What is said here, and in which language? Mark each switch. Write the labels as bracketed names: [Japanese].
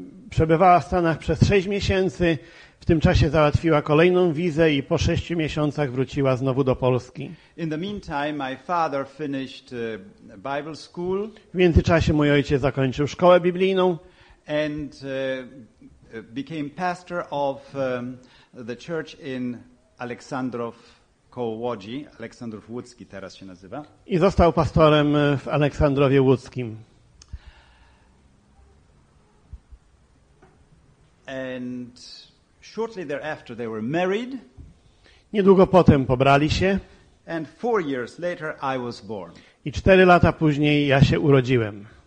[Polish] Przebywała w Stanach przez 6 miesięcy, w tym czasie załatwiła kolejną wizę i po 6 miesiącach wróciła znowu do Polski. [English] In the meantime, my father finished Bible school. [Polish] W międzyczasie mój ojciec zakończył szkołę biblijną. [English] And became pastor of the church in Aleksandrów koło Łodzi. [Polish] Aleksandrów Łódzki teraz się nazywa. I został pastorem w Aleksandrowie Łódzkim. [English] And shortly thereafter they were married. [Polish] Niedługo potem pobrali się. [English] And 4 years later I was born. [Polish] I 4 lata później ja się urodziłem.